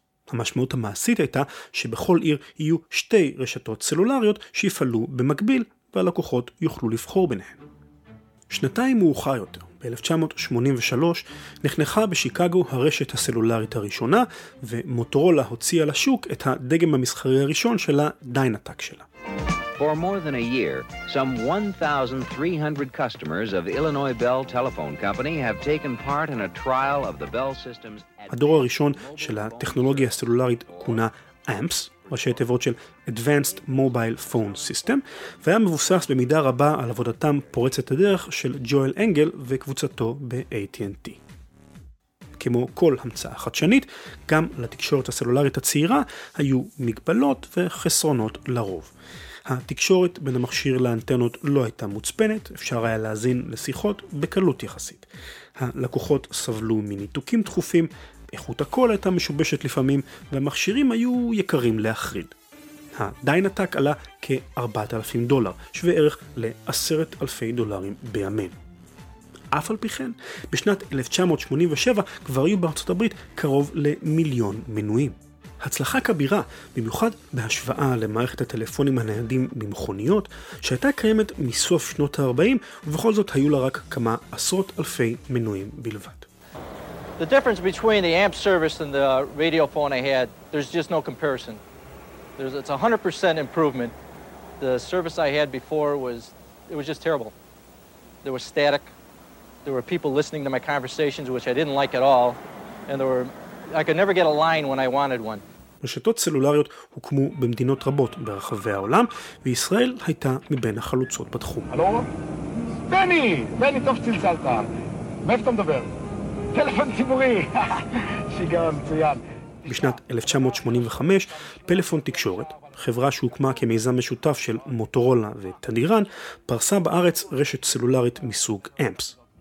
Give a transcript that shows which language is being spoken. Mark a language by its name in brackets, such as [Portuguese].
[Hebrew] המשמעות המעשית הייתה שבכל עיר יהיו 2 רשתות סלולריות שיפעלו במקביל והלקוחות יוכלו לבחור ביניהן. שנתיים מאוחר יותר, ב-1983, נחנכה בשיקגו הרשת הסלולרית הראשונה ומוטורולה הוציאה לשוק את הדגם המסחרי הראשון של הדיינטק שלה. [English] For more than a year, some 1,300 customers of Illinois Bell Telephone Company have taken part in a trial of the Bell System's... [Hebrew] הדור הראשון של הטכנולוגיה הסלולרית כונה AMPS, ראשי תיבות של Advanced Mobile Phone System, והיה מבוסס במידה רבה על עבודתם פורצת הדרך של ג'ואל אנגל וקבוצתו ב-AT&T. כמו כל המצאה חדשנית, גם לתקשורת הסלולרית הצעירה היו מגבלות וחסרונות לרוב. התקשורת בין המכשיר לאנטנות לא הייתה מוצפנת, אפשר היה להזין לשיחות בקלות יחסית. הלקוחות סבלו מניתוקים תכופים, איכות הקול הייתה משובשת לפעמים, והמכשירים היו יקרים להחריד. הדיינטק עלה כ-4,000 דולר, שווה ערך ל-10,000 דולרים בימינו. אף על פי כן, בשנת 1987 כבר היו בארצות הברית קרוב למיליון מנויים. הצלחה כבירה, במיוחד בהשוואה למערכת הטלפונים הניידים במכוניות, שהייתה קיימת מסוף שנות ה-40, ובכל זאת היו לה רק כמה עשרות אלפי מנויים בלבד. [English] The difference between the amp service and the radio phone I had, there's just no comparison. It's 100% improvement. The service I had before was just terrible. There was static. There were people listening to my conversations, which I didn't like at all. And I could never get a line when I wanted one. [Hebrew] רשתות סלולריות הוקמו במדינות רבות ברחבי העולם, וישראל הייתה מבין החלוצות בתחום. הלו? בני! בני, טוב שצלצלת. מאיפה אתה מדבר? טלפון ציבורי. שיגעון מצוין. בשנת 1985, פלאפון תקשורת, חברה שהוקמה כמיזם משותף של מוטורולה ותדירן, פרסה בארץ רשת סלולרית מסוג אמפס.